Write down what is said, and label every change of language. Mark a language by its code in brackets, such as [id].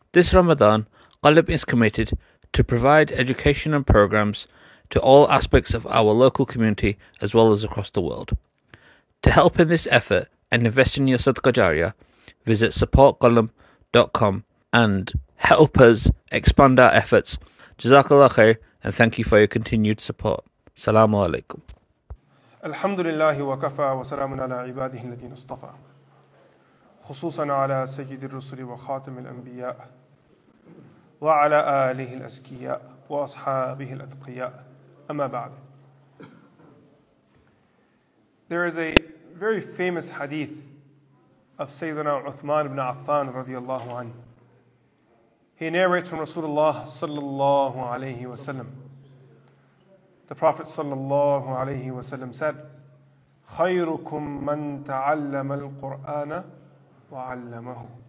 [en] This Ramadan, Qalb is committed to provide education and programs to all aspects of our local community as well as across the world. To help in this effort and invest in your Sadqa Jariyah, visit supportqalb.com and help us expand our efforts. Jazakallah khair and thank you for your continued support. [ar] Assalamu alaikum. الحمد لله وكفى وسلام على عباده الذين اصطفى خصوصا على سيد الرسل وخاتم الأنبياء وعلى آله الأزكياء وأصحابه الأتقياء أما بعد. [en] There is a very famous hadith of Sayyidina Uthman ibn Affan رضي الله عنه. He narrates from Rasulullah صلى الله عليه وسلم. The Prophet sallallahu alayhi wa sallam said, خَيْرُكُمْ مَنْ تَعَلَّمَ الْقُرْآنَ وَعَلَّمَهُ.